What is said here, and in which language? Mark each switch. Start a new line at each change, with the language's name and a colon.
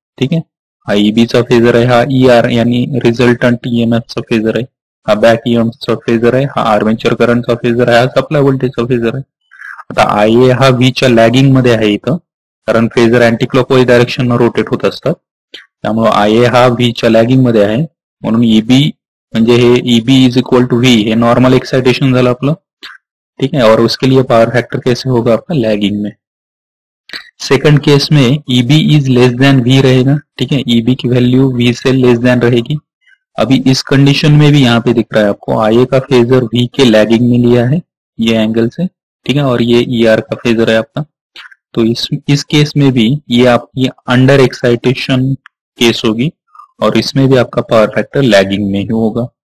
Marathi: ठीक आहे, हा ईबीचा फेजर आहे, हा ई आर यांनी रिझल्टंट ईएमएफचा फेजर आहे, हा बॅक ईएमएफचा फेजर आहे, हा आर्मेचर करंटचा फेजर आहे, हा सप्लाय व्होल्टेजचा फेजर आहे. आता आय ए हा व्हीच्या लॅगिंग मध्ये आहे इथं, कारण फेजर अँटी क्लॉकवाईज डायरेक्शन न रोटेट होत असतात, त्यामुळे आय ए हा व्हीच्या लॅगिंग मध्ये आहे. म्हणून ईबी म्हणजे हे EB is equal to V हे नॉर्मल एक्साइटेशन झालं आपलं. ठीक आहे,
Hindi: और उसके लिए पॉवर फॅक्टर कैसे होगा आपका लॅगिंग में. सेकंड केस में
English: EB is less than V रहेगा.
Marathi: ठीक आहे,
Hindi: ईबी की व्हॅल्यू व्ही से लेस दॅन रहेगी. अभी इस कंडीशन में भी यहाँ पे दिख रहा है आपको आय ए का फेजर व्ही के लॅगिंग में लिया है ये एंगल से. ठीक है, और ये ई आर का फेजर है आपका. तो इस केस में भी ये आपकी अंडर एक्साइटेशन केस होगी और इसमें भी आपका पावर फैक्टर लैगिंग में ही होगा.